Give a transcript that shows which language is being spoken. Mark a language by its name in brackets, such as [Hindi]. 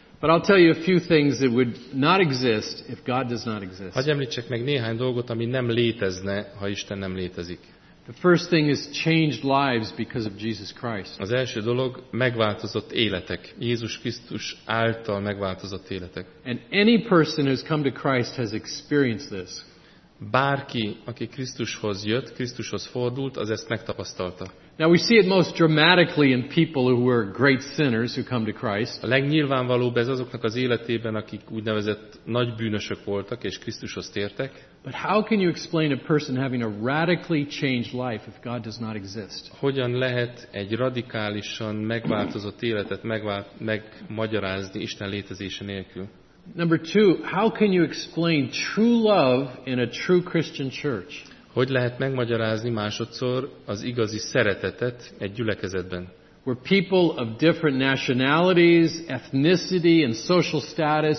[English] But I'll tell you a few things that would not exist if God does not exist. [Hungarian] Hadd említsek meg néhány dolgot, ami nem létezne, ha Isten nem létezik. [English] The first thing is changed lives because of Jesus Christ. [Hungarian] Az első dolog megváltozott életek, Jézus Krisztus által megváltozott életek. [English] And any person who's come to Christ has experienced this. [Hungarian] Bárki, aki Krisztushoz jött, Krisztushoz fordult, az ezt megtapasztalta. [English] Now we see it most dramatically in people who were great sinners who come to Christ. [Hungarian] A legnyilvánvalóbb ez azoknak az életében, akik úgynevezett nagy bűnösök voltak és Krisztushoz tértek. [English] But how can you explain a person having a radically changed life if God does not exist? [Hungarian] Hogyan lehet egy radikálisan megváltozott életet megmagyarázni Isten létezése nélkül? [English] Number two, how can you explain true love in a true Christian church? [Hungarian] Hogy lehet megmagyarázni másodszor az igazi szeretetet egy gyülekezetben? [English] Where people of different nationalities, ethnicity and social status,